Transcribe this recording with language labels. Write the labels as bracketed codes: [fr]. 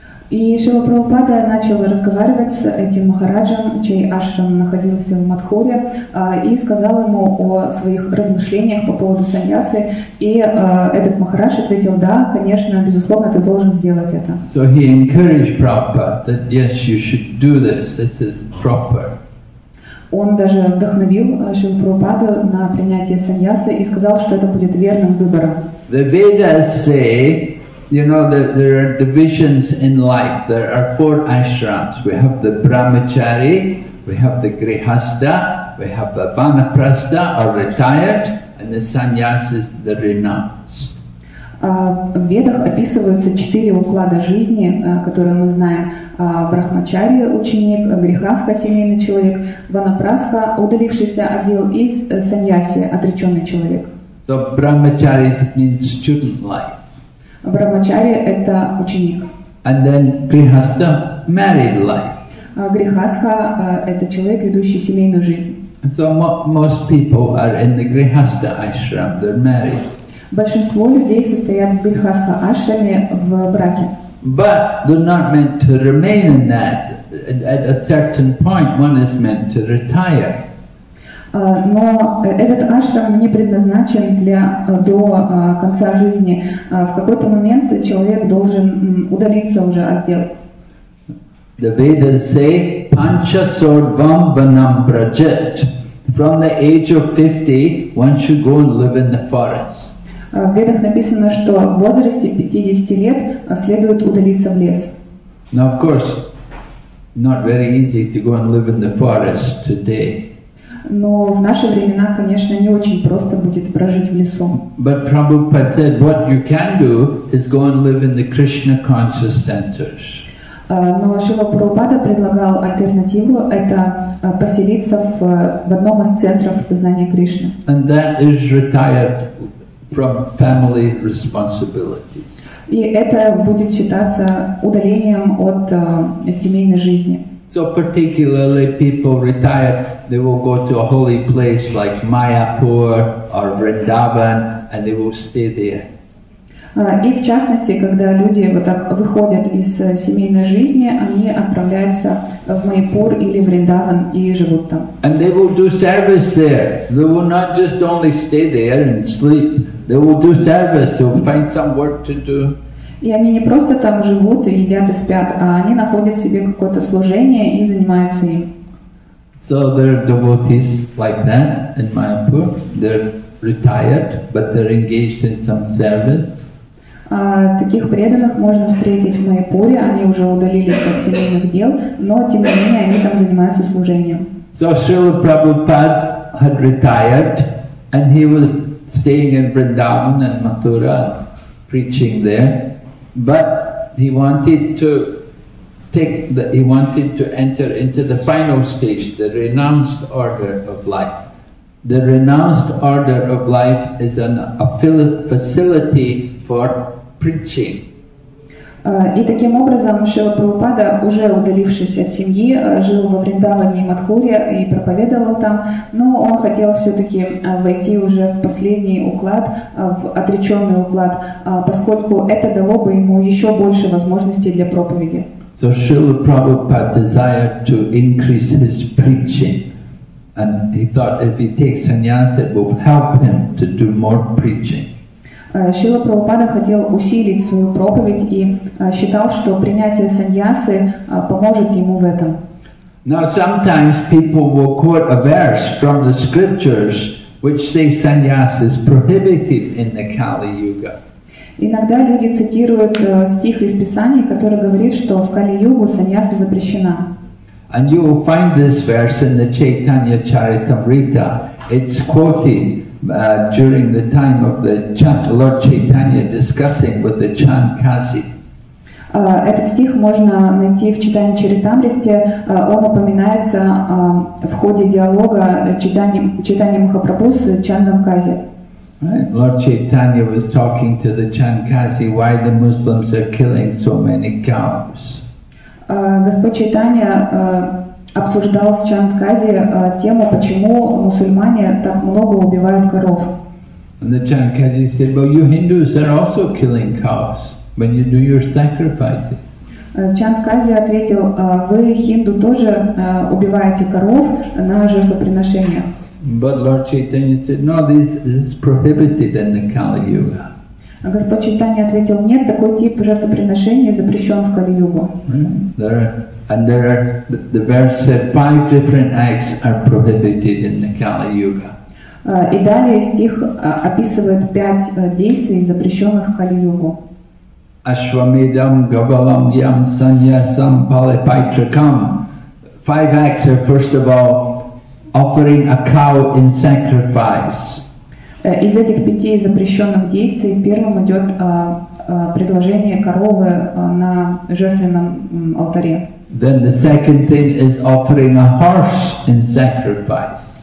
[ru] И Шрила Прабхупада начал разговаривать с этим махараджем, чей ашрам находился в Матхуре, и сказал ему о своих размышлениях по поводу саньясы. И этот махарадж ответил, да, конечно, безусловно, ты должен сделать это. [en] So he encouraged Prabhupada that, yes, you should do this. This is proper. [ru] Он даже вдохновил Шрилу Прабхупаду на принятие саньясы и сказал, что это будет верным выбором. [en] The Vedas say, you know, that there are divisions in life. There are four ashrams. We have the brahmachari, we have the grihastha, we have the vanaprastha, or retired, and the sannyasis, the renounced. [ru] В Ведах описываются четыре уклада жизни, которые мы знаем. Брахмачари – ученик, грихастха – семейный человек, ванапрастха – удалившийся от дел, и саньяси – отреченный человек. [en] So, brahmacharis means student life. [ru] Брахмачари – это ученик. [en] And then Grihastha – married life. [ru] Грихастха – это человек, ведущий семейную жизнь. [en] So most people are in the Grihastha ashram, they're married. [ru] Большинство людей состоят в Грихастха ашраме в браке. [en] But they're not meant to remain in that. At a certain point, one is meant to retire. [ru] Но этот ашрам не предназначен для до конца жизни. В какой-то момент человек должен удалиться уже от дел. [en] The Vedas say, [sa] "Pancha sorvam vanam prajat." [en] From the age of 50, one should go and live in the forest. [ru] В Ведах написано, что в возрасте 50 лет следует удалиться в лес. [en] Now, of course, not very easy to go and live in the forest today. [ru] Но в наши времена, конечно, не очень просто будет прожить в лесу. [en] But Prabhupada said, what you can do is go and live in the Krishna conscious centers. [ru] Но Шрила Прабхупада предлагал альтернативу, это поселиться в одном из центров сознания Кришны. [en] And that is retired from family responsibilities. [ru] И это будет считаться удалением от семейной жизни. [en] So particularly people retire, they will go to a holy place like Mayapur or Vrindavan and they will stay there. [ru] И в частности, когда люди вот так выходят из семейной жизни, они отправляются в Майпур или в Вриндаван и живут там. [en] And they will do service there. They will not just only stay there and sleep. They will do service. They will find some work to do. [ru] И они не просто там живут и едят и спят, а они находят себе какое-то служение и занимаются им. [en] So there are devotees like that in Mayapur. They're retired, but they're engaged in some service. [ru] Таких преданных можно встретить в Майпуре, они уже удалились от семейных дел, но тем не менее они там занимаются служением. [en] So Srila Prabhupada had retired and he was staying in Vrindavan and Mathura preaching there, but he wanted to enter into the final stage, the renounced order of life. The renounced order of life is a facility for preaching. [ru] И таким образом Шрила Прабхупада, уже удалившись от семьи, жил во Вриндаване и Матхуре и проповедовал там, но он хотел все-таки войти уже в последний уклад, в отреченный уклад, поскольку это дало бы ему еще больше возможностей для проповеди. [en] So Srila Prabhupada desired to increase his preaching, and he thought if he takes sannyasa, it will help him to do more preaching. [ru] Шрила Прабхупада хотел усилить свою проповедь и считал, что принятие саньясы поможет ему в этом. [en] Now sometimes people will quote a verse from the scriptures, which say sannyasa is prohibited in the Kali Yuga. [ru] Иногда люди цитируют стих из Писаний, который говорит, что в Кали-Югу саньяса запрещена. [en] And you will find this verse in the Chaitanya Charitamrita. It's quoted during the time of the Lord Chaitanya discussing with the Chan Kasi. [ru] Этот стих можно найти в Читании Чаритамрите. Он упоминается в ходе диалога Читания Махапрабху с Чаном Кази. [en] Right. Lord Chaitanya was talking to the Chan Kasi why the Muslims are killing so many cows. [ru] Господь Чайтанья обсуждал с Чанд-Кази тему, почему мусульмане так много убивают коров. [en] And the Chand-Kazi said, well, you Hindus are also killing cows when you do your sacrifices. [ru] Чанд-Кази ответил, вы, хинду, тоже убиваете коров на жертвоприношение. [en] But Lord Chaitanya said, no, this is prohibited in the Kali-Yuga. [ru] А Господь Чайтанья ответил, нет, такой тип жертвоприношения запрещен в Кали-Югу. [en] And there are, the verse said, five different acts are prohibited in the Kali-Yuga. [ru] И далее стих описывает пять действий, запрещенных в Кали-Югу. [sa] Ашвамедам гавалам ям саньясам палипайтракам. [en] Five acts are, first of all, offering a cow in sacrifice. [ru] Из этих пяти запрещенных действий первым идет предложение коровы на жертвенном алтаре. [en] Then the second thing is offering a horse in sacrifice.